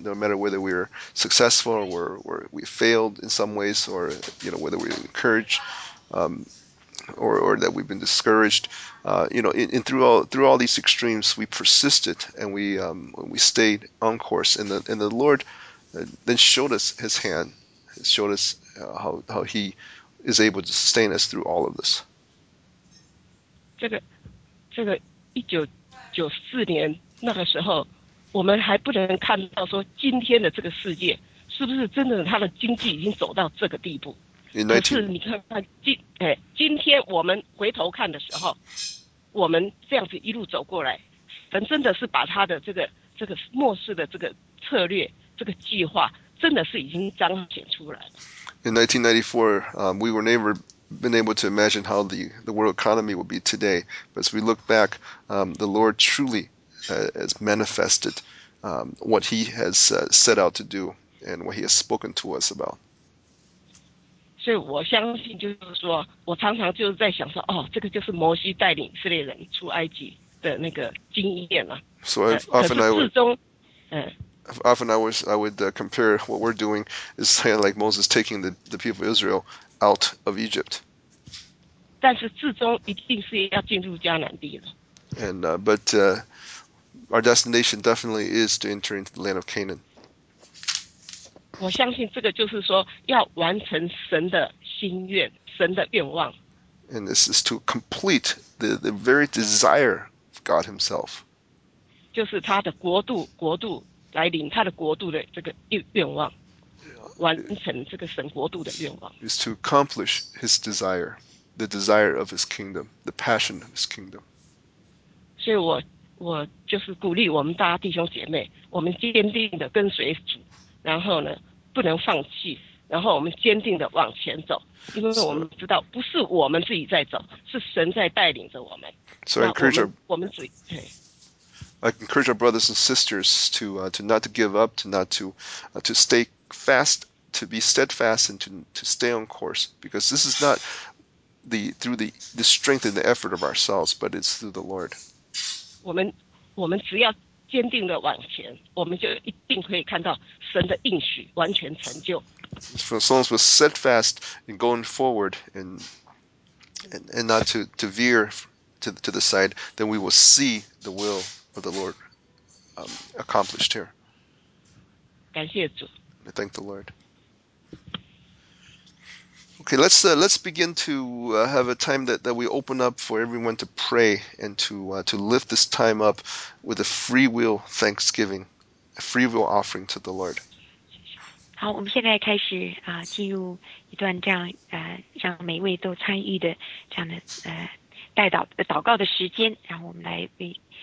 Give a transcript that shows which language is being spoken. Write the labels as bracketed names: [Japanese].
[English] No matter whether we are successful or we failed in some ways, or whether we're encouraged, or that we've been discouraged, through all these extremes, we persisted and we stayed on course. And the Lord then showed us His hand, showed us how He is able to sustain us through all of this. [Chinese] 这个1994年那个时候，我们还不能看到说今天的这个世界是不是真的它的经济已经走到这个地步。可是你看看今天我们回头看的时候，我们这样子一路走过来，神真的是把他的这个末世的这个策略、这个计划，真的是已经彰显出来了。 [English] In 1994, we were never been able to imagine how the world economy would be today. But as we look back, the Lord truly has manifested what He has set out to do and what He has spoken to us about. [Chinese] 所以我相信，就是说我常常就是在想说，这个就是摩西带领以色列人出埃及的那个经验啊。 [English] So often I would compare what we're doing is kind of like Moses taking the people of Israel out of Egypt. [Chinese] 但是至终一定是要进入迦南地的。 [English] And our destination definitely is to enter into the land of Canaan. [Chinese] 我相信这个就是说要完成神的心愿，神的愿望。 [English] And this is to complete the very desire of God himself. [Chinese] 就是他的国度来临，他的国度的这个愿望，完成这个神国度的愿望。 [English] Is to accomplish his desire, the desire of his kingdom, the passion of his kingdom. [Chinese] 所以我就是鼓励我们大家弟兄姐妹，我们坚定的跟随主，然后呢，不能放弃，然后我们坚定的往前走，因为我们知道不是我们自己在走，是神在带领着我们。 [English] So I encourage our, [Chinese] 我们主。 [English] I encourage our brothers and sisters to not to give up, to stay fast, to be steadfast, and to stay on course. Because this is not through the strength and the effort of ourselves, but it's through the Lord. [Chinese] 我们只要坚定的往前，我们就一定可以看到神的应许完全成就。 [English] For as long as we're steadfast in going forward and not to veer to the side, then we will see the will. Of the Lord accomplished here. [Chinese] 感谢主。 [English] I thank the Lord. Okay, let's begin to have a time that we open up for everyone to pray and to lift this time up with a free will thanksgiving, a free will offering to the Lord. [Chinese] 好，我们现在开始进入一段这样让每一位都参与的这样的代祷祷告的时间，然后我们来为。